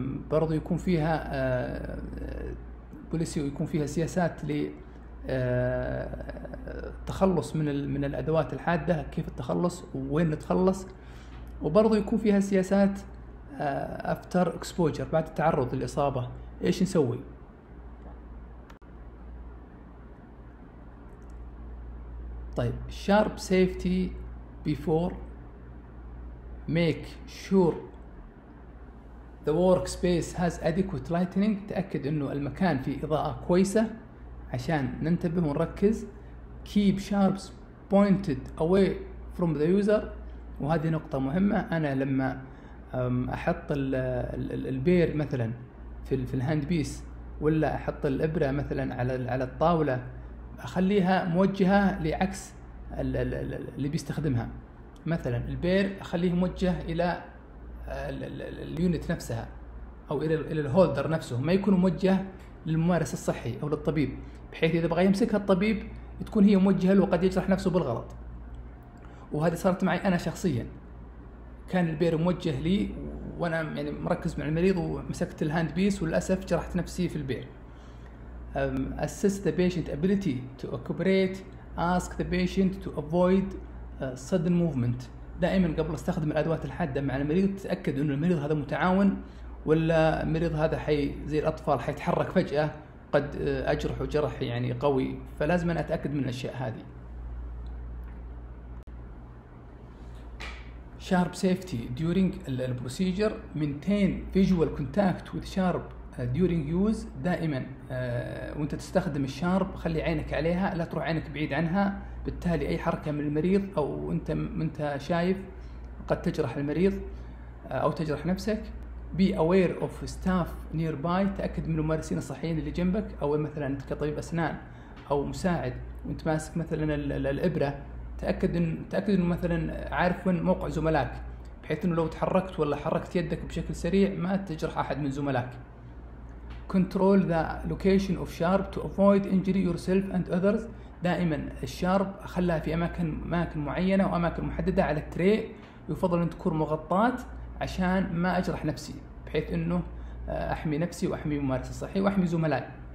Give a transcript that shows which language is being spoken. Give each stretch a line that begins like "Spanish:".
Arabic: برضو يكون فيها بوليسي ويكون فيها سياسات للتخلص من الأدوات الحادة، كيف التخلص وين نتخلص، وبرضو يكون فيها سياسات
English: after exposure
Arabic: بعد التعرض للإصابة إيش نسوي. طيب
English: sharp safety before make sure the workspace has adequate lighting.
Arabic: تأكد إنه المكان فيه إضاءة كويسة عشان ننتبه ونركز.
English: keep sharps pointed away from the user.
Arabic: وهذه نقطة مهمة، أنا لما احط البير مثلا في الهاند بيس ولا احط الابره مثلا على الطاوله اخليها موجهه لعكس اللي بيستخدمها، مثلا البير اخليه موجه الى اليونت نفسها او الى الهولدر نفسه، ما يكون موجه للممارس الصحي او للطبيب، بحيث اذا بغى يمسكها الطبيب تكون هي موجهه له وقد يجرح نفسه بالغلط. وهذه صارت معي انا شخصيا، كان البير موجه لي وانا يعني مركز مع المريض ومسكت الهاند بيس وللاسف جرحت نفسي في البير.
English: assess the patient ability to cooperate. ask the patient to avoid sudden movement.
Arabic: دائما قبل استخدم الادوات الحاده مع المريض تاكد انه المريض هذا متعاون ولا المريض هذا حي زي الاطفال حيتحرك فجاه قد اجرح جرح يعني قوي، فلازم انا اتاكد من الاشياء هذه.
English: sharp safety during the procedure. maintain visual contact with sharp during use.
Arabic: دائما وانت تستخدم الشارب خلي عينك عليها، لا تروح عينك بعيد عنها، بالتالي اي حركة من المريض او انت شايف قد تجرح المريض او تجرح نفسك.
English: be aware of staff nearby.
Arabic: تأكد من الممارسين الصحيين اللي جنبك، او مثلا انت كطبيب اسنان او مساعد وانت ماسك مثلا الابرة، تأكد إن مثلا عارف من موقع زملائك، بحيث انه لو تحركت ولا حركت يدك بشكل سريع ما تجرح احد من زملائك.
English: control the location of sharp to avoid injury yourself and others.
Arabic: دائما الشارب اخليها في اماكن معينه واماكن محدده على التري، يفضل ان تكون مغطاه عشان ما اجرح نفسي، بحيث انه احمي نفسي واحمي ممارس الصحي واحمي زملائي.